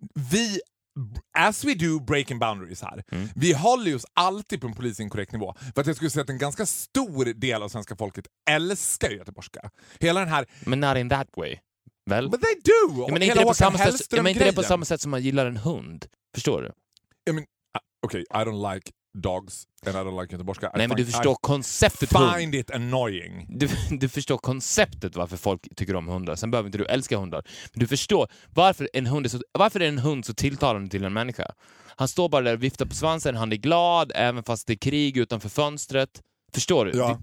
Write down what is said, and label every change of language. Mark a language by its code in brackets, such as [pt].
[en] Vi... As we do breaking boundaries här. Mm. [sv] Vi håller oss alltid på en polisinkorrekt nivå. För att jag skulle säga att en ganska stor del av svenska folket älskar göteborgska. Hela den här... [en] Men not in that way. Väl? But they do! [sv] Ja, men inte det, på samma sätt, ja, men inte det på samma sätt som man gillar en hund. Förstår du? Ja, men, [en] okay, I don't like dogs and I don't like göteborgska. [sv] Nej, men du förstår konceptet. [en] Find it annoying. [sv] Du förstår konceptet varför folk tycker om hundar. Sen behöver inte du älska hundar. Men du förstår varför är en hund så tilltalande till en människa? Han står bara där och viftar på svansen. Han är glad även fast det är krig utanför fönstret. Förstår du? Ja.